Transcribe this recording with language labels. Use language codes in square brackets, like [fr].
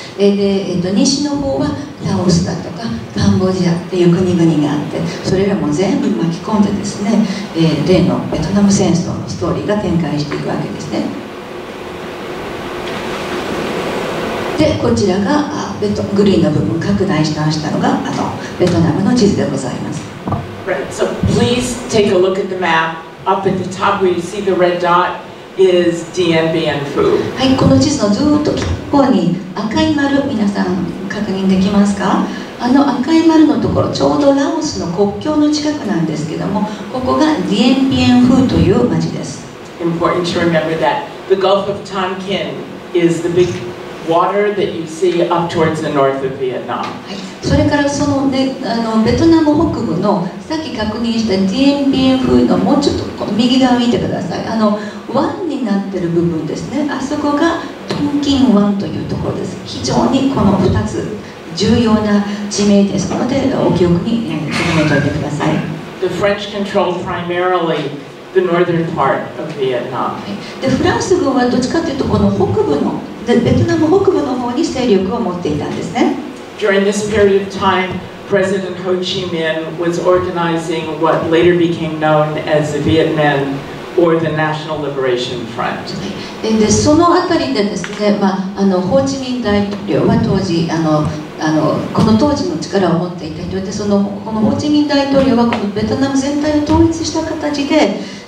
[ja] で、西の方はラオスだとかカンボジアっていう国々があって、それらも全部巻き込んでですね、例のベトナム戦争のストーリーが展開していくわけですね。でこちらがグリーンの部分拡大しましたのがベトナムの地図でございます。 [en] Right, so please take a look at the map. Up at the top where you see the red dotIs Dien Bien Phu. [ja] はい、この地図のずっと近くに赤い丸、皆さん確認できますか？あの赤い丸のところ、ちょうどラオスの国境の近くなんですけども、ここがDien Bien Phuという町です。 [en] Important to remember that the Gulf of Tonkin is the big water that you see up towards the north of Vietnam. [ja] はい、それからそのね、ベトナム北部のさっき確認したDien Bien Phuのもうちょっと右側見てください。湾になってる部分ですね、あそこがトンキン湾というところです。非常にこの2つ重要な地名ですので、お記憶に留めておいてください。 [en] The French controlled primarily the northern part of Vietnam. [ja] でフランス軍はどっちかというとこの北部のベトナム北部の方に勢力を持っていたんですね。 [en] During this period of time, President Ho Chi Minh was organizing what later became known as the Viet Minh. Or the National Liberation Front. [ja] でそのあたりでですね、まあ、ホーチミン大統領は当時この当時の力を持っていた人で、このホーチミン大統領はこのベトナム全体を統一した形で、